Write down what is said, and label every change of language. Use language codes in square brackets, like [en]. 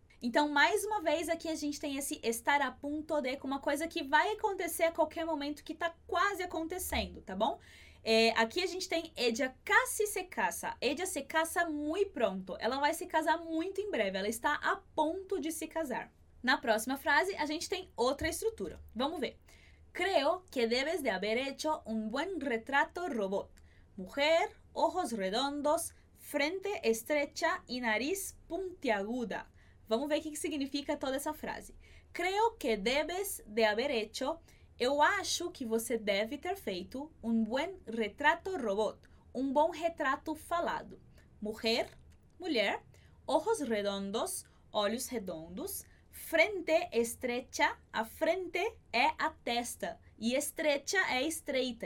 [pt] Então, mais uma vez, aqui a gente tem esse [es] estar a punto de, [pt] com uma coisa que vai acontecer a qualquer momento, que está quase acontecendo, tá bom? É, aqui a gente tem [es] ella casi se casa. Ella se casa muy pronto. [pt] Ela vai se casar muito em breve. Ela está a ponto de se casar. Na próxima frase, a gente tem outra estrutura. Vamos ver. [es] Creo que debes de haber hecho un buen retrato robot. Mujer, ojos redondos, frente estrecha y nariz puntiaguda. [pt] Vamos ver o que significa toda essa frase. [es] Creo que debes de haber hecho... [pt] Eu acho que você deve ter feito [es] un buen retrato robot. [pt] Um bom retrato falado. Mujer, mulher. [es] Ojos redondos, [pt] olhos redondos. [es] Frente estrecha. [pt] A frente é a testa. E estrecha é estreita.